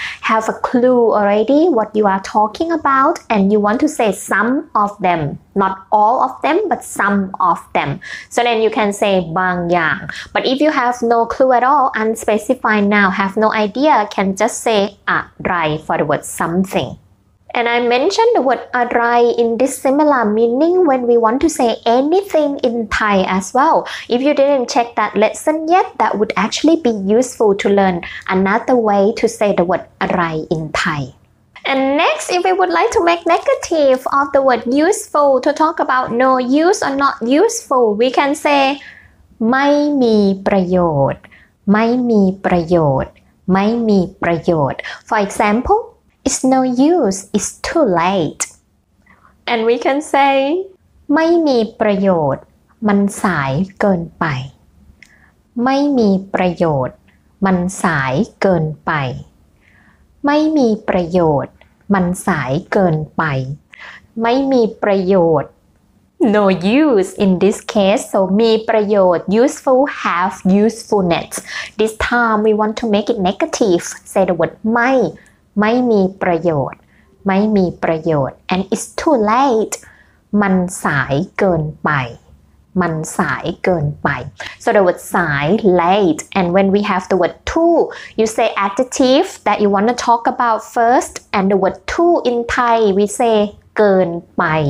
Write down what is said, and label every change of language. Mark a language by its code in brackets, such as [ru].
[en] have a clue already what you are talking about and you want to say some of them not all of them but some of them so then you can say บางอย่าง but if you have no clue at all unspecified noun have no idea can just say อะไร for the word somethingAnd I mentioned the word arai in this similar meaning when we want to say anything in Thai as well. If you didn't check that lesson yet, that would actually be useful to learn another way to say the word arai in Thai. And next, if we would like to make negative of the word useful to talk about no use or not useful, we can say [th] ไม่มีประโยชน์ไม่มีประโยชน์ไม่มีประโยชน์ [en] For example,It's no use. It's too late. And we can say, [th] ไม่มีประโยชน์มันสายเกินไปไม่มีประโยชน์มันสายเกินไปไม่มีประโยชน์มันสายเกินไปไม่มีประโยชน์ [en] No use in this case. So มีประโยชน์ useful have usefulness. This time we want to make it negative. Say the word ไม่ไม่มีประโยชน์ไม่มีประโยชน์ and it's too late [th] มันสายเกินไปมันสายเกินไป [en] so the word สาย late and when we have the word too you say adjective that you want to talk about first and the word too in Thai we say เกินไป